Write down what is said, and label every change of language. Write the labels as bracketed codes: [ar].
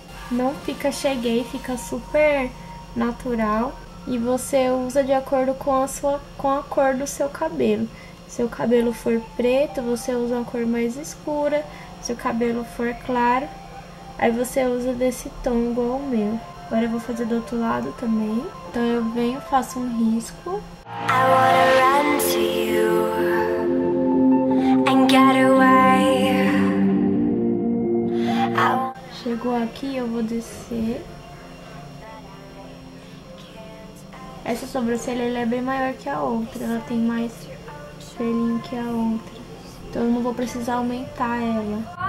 [pt] Não fica cheguei, fica super natural e você usa de acordo com a cor do seu cabelo. Se o cabelo for preto, você usa uma cor mais escura. Se o cabelo for claro, aí você usa desse tom igual o meu. Agora eu vou fazer do outro lado também. Então eu venho, faço um risco. [en] I wanna run to you and get away. [pt] Chegou aqui, eu vou descer. Essa sobrancelha ela é bem maior que a outra, ela tem mais pelinho que a outra. Então eu não vou precisar aumentar ela.